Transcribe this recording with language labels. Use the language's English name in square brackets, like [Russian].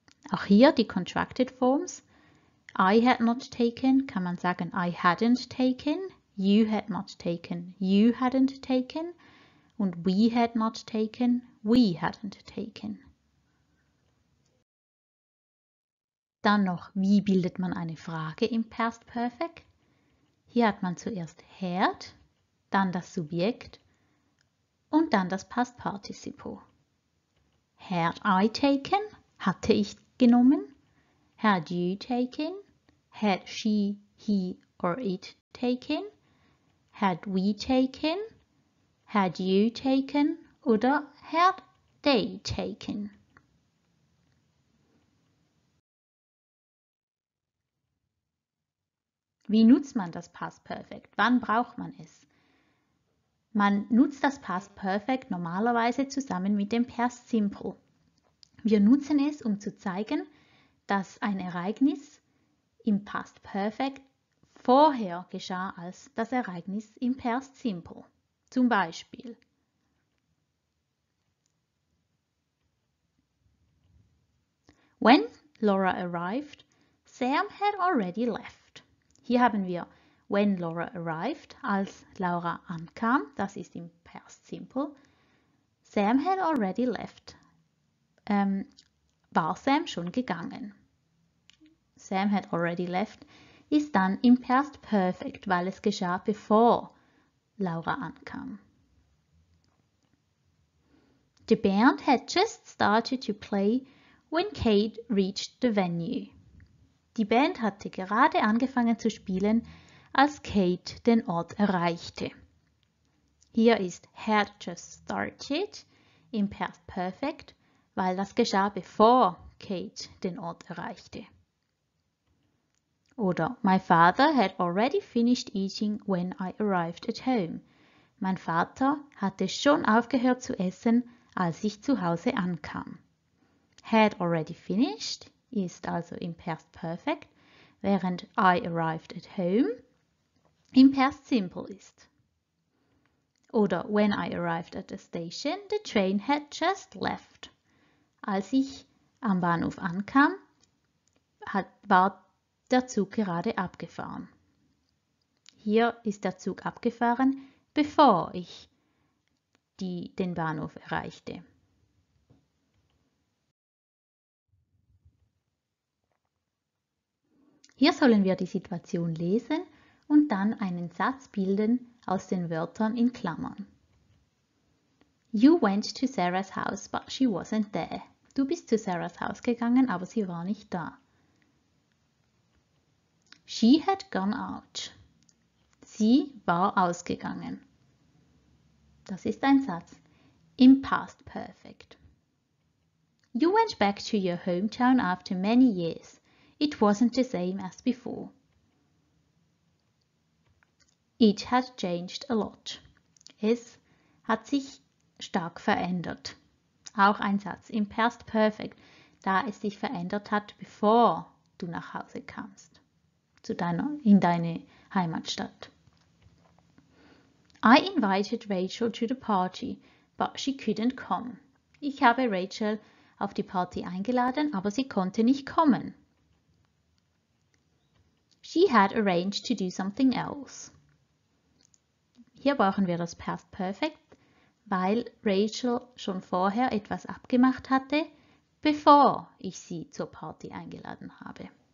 [German] Auch hier die [English] contracted forms. I had not taken [German] kann man sagen [English] I hadn't taken, you had not taken, you hadn't taken und we had not taken, we hadn't taken. [German] Dann noch, wie bildet man eine Frage im Past Perfect? Hier hat man zuerst had, dann das Subjekt und dann das Past Participle. [English] Had I taken? [German] Hatte ich genommen? [English] Had you taken? Had she, he or it taken? Had we taken? Had you taken? [German] Oder [English] had they taken? [German] Wie nutzt man das Past Perfect? Wann braucht man es? Man nutzt das Past Perfect normalerweise zusammen mit dem Past Simple. Wir nutzen es, um zu zeigen, dass ein Ereignis im Past Perfect vorher geschah als das Ereignis im Past Simple. Zum Beispiel, [English] when Laura arrived, Sam had already left. [German] Hier haben wir [English] when Laura arrived, [German] als Laura ankam, das ist im Past Simple. [English] Sam had already left. [German] War Sam schon gegangen? [English] Sam had already left [German] ist dann im Past Perfect, weil es geschah, bevor Laura ankam. [English] The band had just started to play when Kate reached the venue. [German] Die Band hatte gerade angefangen zu spielen, als Kate den Ort erreichte. Hier ist [English] had just started [German] im Past Perfect, weil das geschah, bevor Kate den Ort erreichte. Oder [English] my father had already finished eating when I arrived at home. [German] Mein Vater hatte schon aufgehört zu essen, als ich zu Hause ankam. [English] Had already finished [German] ist also im Past Perfect, während [English] I arrived at home [German] im Past Simple ist. Oder [English] when I arrived at the station, the train had just left. [German] Als ich am Bahnhof ankam, war der Zug gerade abgefahren. Hier ist der Zug abgefahren, bevor ich den Bahnhof erreichte. Hier sollen wir die Situation lesen und dann einen Satz bilden aus den Wörtern in Klammern. [English] You went to Sarah's house, but she wasn't there. [German] Du bist zu Sarah's Haus gegangen, aber sie war nicht da. [English] She had gone out. [German] Sie war ausgegangen. Das ist ein Satz im Past Perfect. [English] You went back to your hometown after many years. It wasn't the same as before. It had changed a lot. [German] Es hat sich stark verändert. Auch ein Satz im Past Perfect, da es sich verändert hat, bevor du nach Hause kamst, in deine Heimatstadt. [English] I invited Rachel to the party, but she couldn't come. [German] Ich habe Rachel auf die Party eingeladen, aber sie konnte nicht kommen. [English] She had arranged to do something else. [German] Hier brauchen wir das Past Perfect, weil Rachel schon vorher etwas abgemacht hatte, bevor ich sie zur Party eingeladen habe.